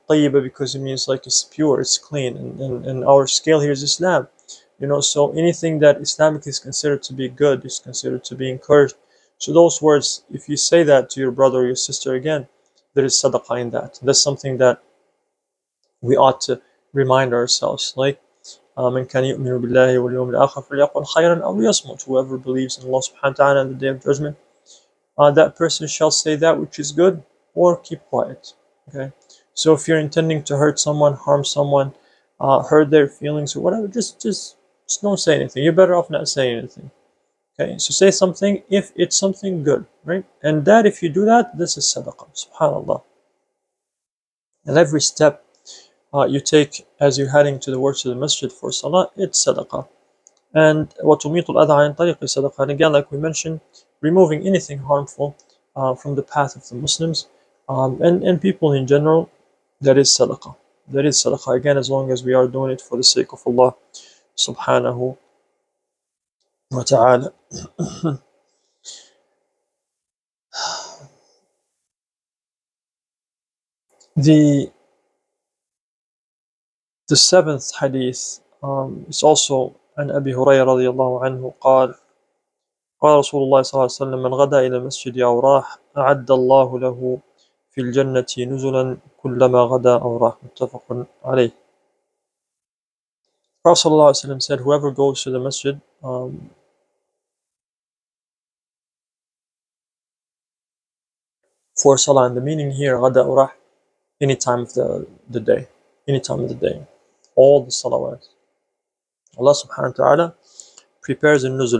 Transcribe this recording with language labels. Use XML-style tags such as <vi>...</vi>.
<en>طيبة, because it means like it's pure, it's clean, and our scale here is Islam, so anything that Islamically is considered to be good is considered to be encouraged. So those words, if you say that to your brother or your sister, again, there is sadaqah in that. That's something that we ought to remind ourselves, like</en> <ar>من كان يؤمن بالله واليوم الآخر فليقل خيرا أو يصمت.</ar> <en>Whoever believes in Allah subhanahu wa ta'ala and the Day of Judgment, that person shall say that which is good, or keep quiet. Okay, so if you're intending to hurt someone, harm someone, hurt their feelings or whatever, just don't say anything. You're better off not saying anything. Okay, so say something if it's something good, right? And that, if you do that, this is sadaqah, subhanallah. And every step you take as you're heading to the works of the masjid for salah, it's sadaqah. And</en> <ar>وَتُمِيطُ الْأَذَى عَنْ طَرِيقِ صَدَقَةً.</ar> <en>And again, like we mentioned, removing anything harmful from the path of the Muslims and people in general, that is sadaqah. That is sadaqah. Again, as long as we are doing it for the sake of Allah subhanahu wa ta'ala. The seventh hadith, it's also an Abi Hurayra radiallahu anhu,</en> <ar>قال رسول الله صلى الله عليه وسلم من غدا إلى مسجد أوراح أعد الله له في الجنة نزلا كلما غدا أوراح متفق عليه.</ar> <en>Prophet صلى الله عليه وسلم said, whoever goes to the masjid, for salah, and the meaning here,</en> <ar>غدا أوراح,</ar> <en>any time of the day. any time of the day, all the salawat. Allah subhanahu wa ta'ala prepares al-nuzul.</en>